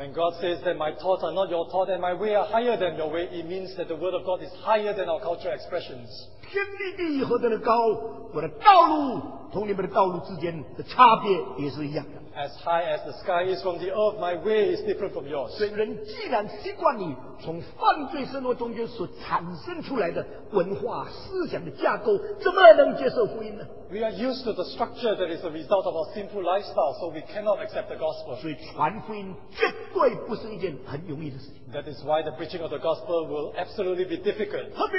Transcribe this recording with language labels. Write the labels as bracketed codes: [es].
[en] When God says that my thoughts are not your thoughts and my way are higher than your way, it means that the word of God is higher than our cultural expressions. [zh] 天地地何等的高，我的道路同你们的道路之间的差别也是一样的。 [en] As high as the sky is from the earth, my way is different from yours. [zh] 所以人既然习惯你从犯罪生活中间所产生出来的文化思想的架构，怎么能接受福音呢？ [en] We are used to the structure that is the result of our sinful lifestyle, so we cannot accept the gospel. [zh] 所以传福音绝对不是一件很容易的事情。 [en] That is why the preaching of the gospel will absolutely be difficult.